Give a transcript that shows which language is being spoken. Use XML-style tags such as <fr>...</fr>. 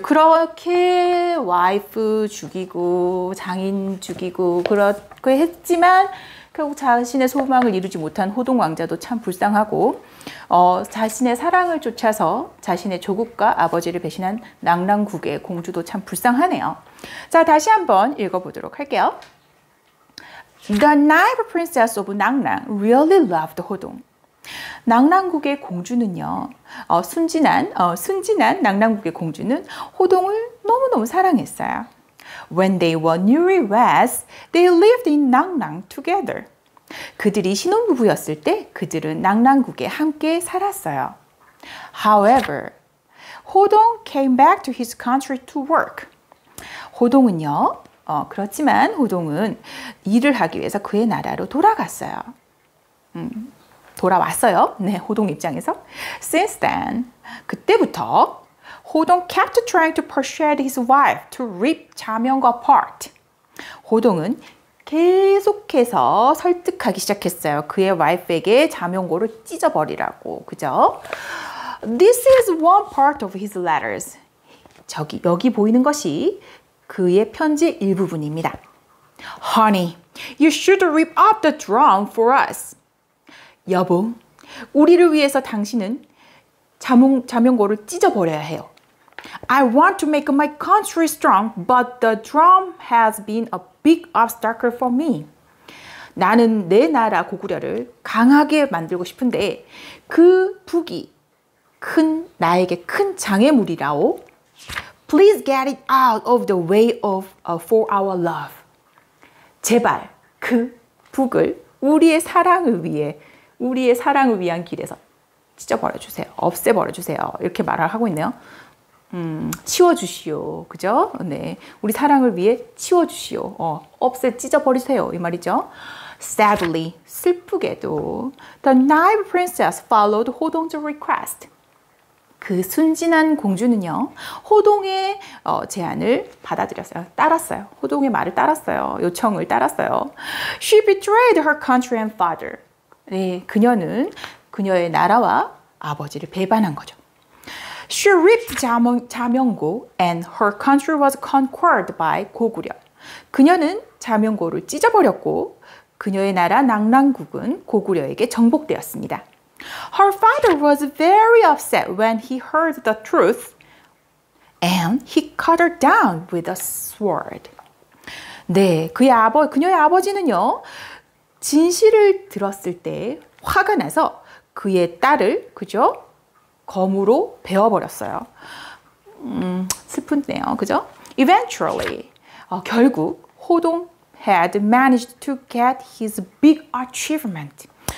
<ko>그렇게 와이프 죽이고 장인 죽이고 그렇게 했지만 결국 자신의 소망을 이루지 못한 호동 왕자도 참 불쌍하고 자신의 사랑을 쫓아서 자신의 조국과 아버지를 배신한 낭랑국의 공주도 참 불쌍하네요. 자, 다시 한번 읽어보도록 할게요.</ko> <en>The naive princess of Nang Nang really loved Hodong.</en> <ko>낭랑국의 공주는요, 순진한 낭랑국의 공주는 호동을 너무너무 사랑했어요.</ko> <en>When they were newlyweds, they lived in Nang Nang together.</en> <ko>그들이 신혼부부였을 때 그들은 낭랑국에 함께 살았어요.</ko> <en>However, Hodong came back to his country to work.</en> <ko>호동은요, 그렇지만 호동은 일을 하기 위해서 그의 나라로 돌아갔어요. 돌아왔어요. 네, 호동 입장에서.</ko> <en>Since then,</en> <ko>그때부터</ko> <en>호동 kept trying to persuade his wife to rip 자명과 apart.</en> <ko>호동은 계속해서 설득하기 시작했어요. 그의 와이프에게 자명고를 찢어버리라고. 그죠?</ko> <en>This is one part of his letters.</en> <ko>여기 보이는 것이 그의 편지 일부분입니다.</ko> <en>Honey, you should rip up the drum for us.</en> <ko>여보, 우리를 위해서 당신은 자명고를 찢어버려야 해요.</ko> <en>I want to make my country strong, but the drum has been a big obstacle for me.</en> <ko>나는 내 나라 고구려를 강하게 만들고 싶은데 그 북이 나에게 큰 장애물이라오.</ko> <en>Please get it out of the way of for our love.</en> <ko>제발 그 북을 우리의 사랑을 위한 길에서 찢어버려 주세요. 없애버려 주세요. 이렇게 말을 하고 있네요. 치워주시오. 그죠? 네. 우리 사랑을 위해 치워주시오. 없애 찢어버리세요. 이 말이죠.</ko> <en>Sadly,</en> <ko>슬프게도</ko> <en>the naive princess followed Hodong's request.</en> <ko>그 순진한 공주는요, 호동의 제안을 받아들였어요. 따랐어요. 호동의 말을 따랐어요. 요청을 따랐어요.</ko> <en>She betrayed her country and father.</en> <ko>네, 그녀는 그녀의 나라와 아버지를 배반한 거죠.</ko> <en>She ripped 자명고 and her country was conquered by 고구려.</en> <ko>그녀는 자명고를 찢어버렸고 그녀의 나라 낭랑국은 고구려에게 정복되었습니다.</ko> <en>Her father was very upset when he heard the truth, and he cut her down with a sword.</en> <ko>네, 그녀의 아버지는요, 진실을 들었을 때 화가 나서 그의 딸을, 그죠? 검으로 베어버렸어요. 슬픈데요, 그죠?</ko> <en>Eventually,</en> <ko>결국</ko> <en>호동 had managed to get his big achievement.</en>